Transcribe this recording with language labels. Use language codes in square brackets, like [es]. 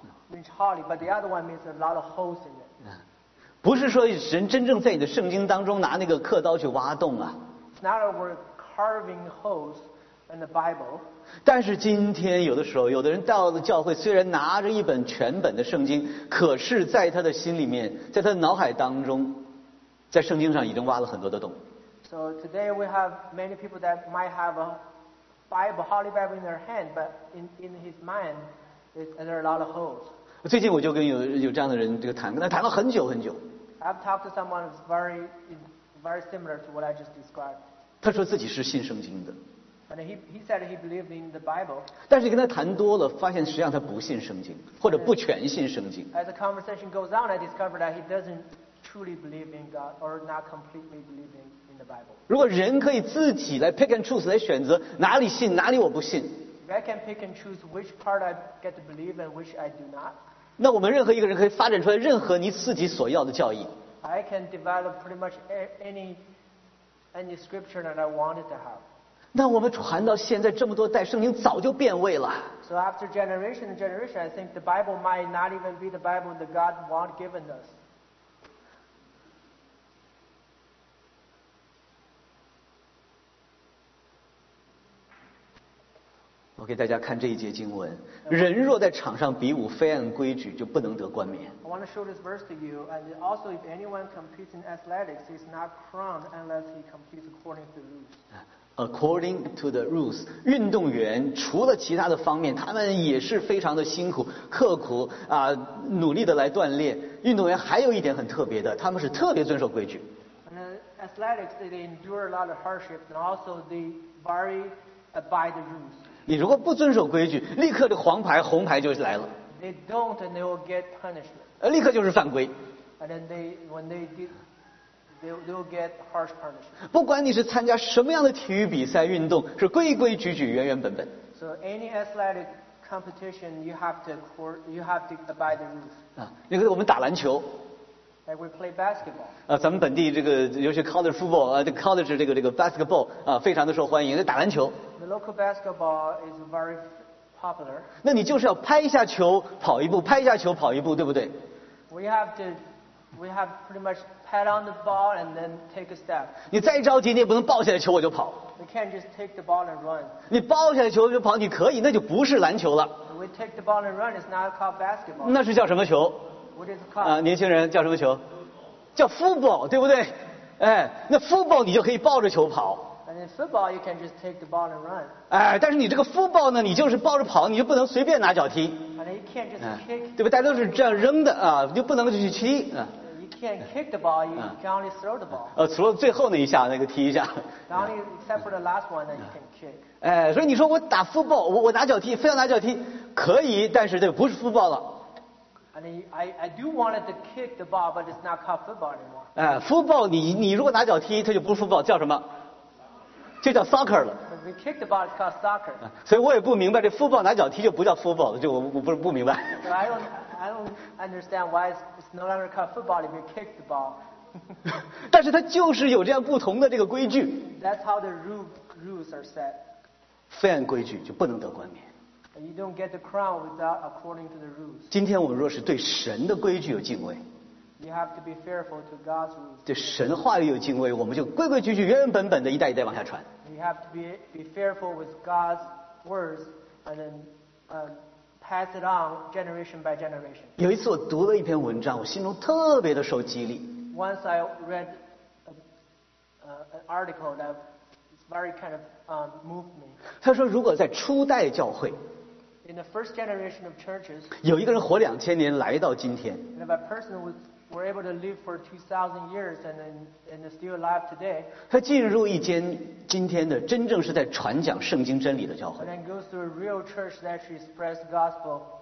[en] Means holy, but the other one means a lot of holes in it. [zh] 不是说神真正在你的圣经当中拿那个刻刀去挖洞啊。 [en] It's not a word carving holes in the Bible. [zh] 但是今天有的时候，有的人到了教会，虽然拿着一本全本的圣经，可是在他的心里面，在他的脑海当中，在圣经上已经挖了很多的洞。 [en] So today we have many people that might have a Bible, Holy Bible in their hand, but in his mind, there are a lot of holes. [zh] 最近我就跟有这样的人这个谈，跟他谈了很久很久。 [en] I've talked to someone who's very similar to what I just described. [zh] 他说自己是信圣经的。 [en] And he said he believed in the Bible. [zh] 但是跟他谈多了，发现实际上他不信圣经，或者不全信圣经。 [en] As the conversation goes on, I discovered that he doesn't truly believe in God or not completely believe in. [zh] 如果人可以自己来 [en] pick and choose [zh] 来选择哪里信哪里我不信， [en] If I can pick and choose which part I get to believe and which I do not， [zh] 那我们任何一个人可以发展出来任何你自己所要的教义。 [en] I can develop pretty much any scripture that I wanted to have。 [zh] 那我们传到现在这么多代，圣经早就变味了。 [en] So after generation and generation, I think the Bible might not even be the Bible that God want given us。 [zh] 我给大家看这一节经文，人若在场上比武，非按规矩，就不能得冠冕。 [en] I want to show this verse to you, and also if anyone competes in athletics, he's not crowned unless he competes according to the rules. According to the rules, [zh] 运动员除了其他的方面，他们也是非常的辛苦、刻苦啊，努力的来锻炼。运动员还有一点很特别的，他们是特别遵守规矩。 [en] And athletics, they endure a lot of hardships, and also they vary by the rules. [zh] 你如果不遵守规矩，立刻这黄牌、红牌就来了。 [en] They don't, and they will get punishment. [zh] 立刻就是犯规。 [en] And then they, when they did, they will get harsh punishment. [zh] 不管你是参加什么样的体育比赛、运动，是规规矩矩、原原本本。 [en] So any athletic competition, you have to abide the rules. [zh] 你看我们打篮球。 [en] Like we play basketball. [zh] 咱们本地这个，尤其 college football 啊，这 college 这个 basketball 啊，非常的受欢迎，打篮球。 [en] The local basketball is very popular. [zh] 那你就是要拍一下球跑一步，拍一下球跑一步，对不对 [en] ？We have to We have pretty much pat on the ball and then take a step. [zh] 你再着急，你也不能抱下来球我就跑。 [en] We can't just take the ball and run. [zh] 你抱下来球就跑，你可以，那就不是篮球了。 [en] We take the ball and run is not called basketball. [zh] 那是叫什么球？ [en] What is called? [zh] 年轻人叫什么球？叫 football， 对不对？哎，那 football 你就可以抱着球跑。 [en] And in football, you can just take the ball and run. [zh] 哎，但是你这个 football 呢，你就是抱着跑，你就不能随便拿脚踢。 [en] And you can't just kick. [zh] 对吧？大家都是这样扔的啊，就不能去踢啊。 [en] Can't kick the ball, you can only throw the ball. [zh] 除了最后那一下，那个踢一下。 [en] The only except for the last one that you can kick. [zh] 哎，所以你说我打 football， 我拿脚踢，非要拿脚踢，可以，但是这不是 football 了。 [en] And I do want to kick the ball, but it's not called football anymore. [zh] 哎 ，football， 你如果拿脚踢，它就不是 football， 叫什么？就叫 soccer 了。 [en] We kick the ball, it's called soccer. [zh] 所以我也不明白，这 football 拿脚踢就不叫 football 了，就我不明白。 [en] I don't understand why it's no longer called football if you kick the ball. [zh] 但是它就是有这样不同的这个规矩。 [en] That's how the rules are set. [zh] Fan 规矩就不能得冠冕。 [en] You don't get the crown without according to the rules. [zh] 今天我们若是对神的规矩有敬畏。 [en] You have to be fearful to God's rules. [zh] 对神的话语有敬畏，我们就规规矩矩、原原本本的一代一代往下传。 [en] You have to be fearful with God's words and then. Pass it on generation by generation. [zh] 有一次我读了一篇文章，我心中特别的受激励。 [en] Once I read an article that very kind of moved me. [zh] 他说，如果在初代教会 [en] ，In the first generation of churches, [zh] 有一个人活2000年来到今天 [en] ，And if a person were able to live for 2000 years and still alive today, [zh] 他进入一间今天的真正是在传讲圣经真理的教会。 [en] And goes to a real church that actually spreads gospel.